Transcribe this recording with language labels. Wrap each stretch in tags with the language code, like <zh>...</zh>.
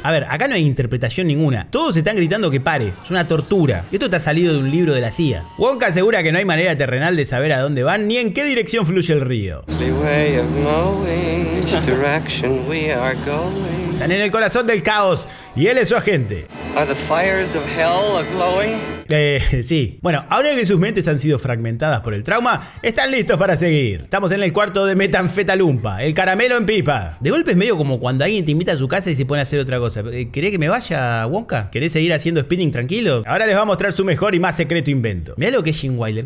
<es>A ver, acá no hay interpretación ninguna. Todos están gritando que pare. Es una tortura. Esto te ha salido de un libro de la CIA. Wonka asegura que no hay manera terrenal de saber a dónde van ni en qué dirección fluye el río. Están en el corazón del caos y él es su agente.</es> <en>Are the fires of hell glowing?</en> <es>Sí. Bueno, ahora que sus mentes han sido fragmentadas por el trauma, están listos para seguir. Estamos en el cuarto de Metanfetalumpa, el caramelo en pipa. De golpe es medio como cuando alguien te invita a su casa y se pone a hacer otra cosa. ¿Querés que me vaya, Wonka? ¿Querés seguir haciendo spinning tranquilo? Ahora les va a mostrar su mejor y más secreto invento. Mirá lo que es Jim Wilder.</es>